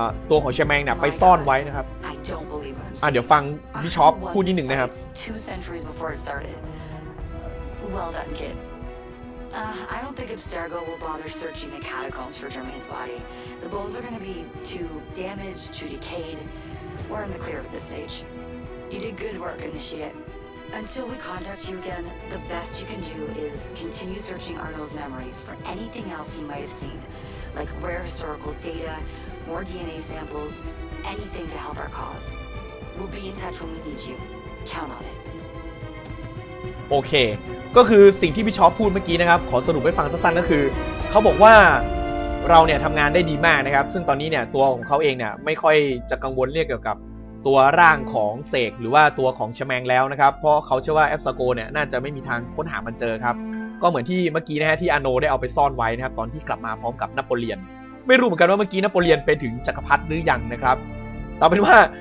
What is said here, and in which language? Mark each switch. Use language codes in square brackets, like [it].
[th] ตัวของชแมงเนี่ยไปซ่อนไว้นะครับเดี๋ยวฟังพี่ช็อปพูดนิดนึงนะครับ [en] 2 centuries before it started well done kid I don't think Abstergo will bother searching the catacombs for Germain's body the bones are going to be too damaged too decayed we're in the clear at this stageYou did good work, Initiate. Until we contact you again, the best you can do is continue searching Arnold's memories for anything else he might have seen, like rare historical data, more DNA samples, anything to help our cause. We'll be in touch when we need you. Count on it. [th] โอเคก็คือสิ่งที่พี่ช็อปพูดเมื่อกี้นะครับขอสรุปให้ฟังสั้นๆก็คือเขาบอกว่าเราเนี่ยทำงานได้ดีมากนะครับซึ่งตอนนี้เนี่ยตัวของเขาเองเนี่ยไม่ค่อยจะกังวลเรื่องเกี่ยวกับตัวร่างของเสกหรือว่าตัวของชแมงแล้วนะครับเพราะเขาเชื่อว่าแอปซาโกเนี่ยน่าจะไม่มีทางค้นหามันเจอครับก็เหมือนที่เมื่อกี้นะฮะที่อาโนได้เอาไปซ่อนไว้นะครับตอนที่กลับมาพร้อมกับนโปเลียนไม่รู้เหมือนกันว่าเมื่อกี้นโปเลียนไปถึงจักรพรรดิหรือยังนะครับแต่เป็นว่า